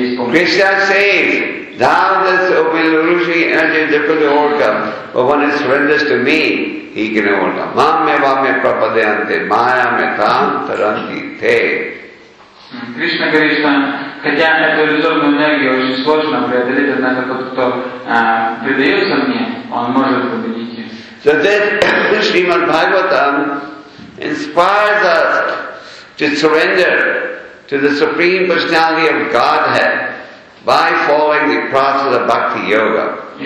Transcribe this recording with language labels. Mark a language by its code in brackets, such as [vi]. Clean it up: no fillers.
[en] Krishna says, now this illusory energy is difficult to overcome, but when it surrenders to me, he can overcome. [sa] Maam eva me prapadyante maya me tam taranti te. [ru] Krishna Krishna, хотя эту иллюзорную энергию очень сложно преодолеть, однако тот, кто предается мне, он может победить. [en] So this Srimad Bhagavatam inspires us to surrender to the Supreme Personality of Godhead by following the process of Bhakti Yoga.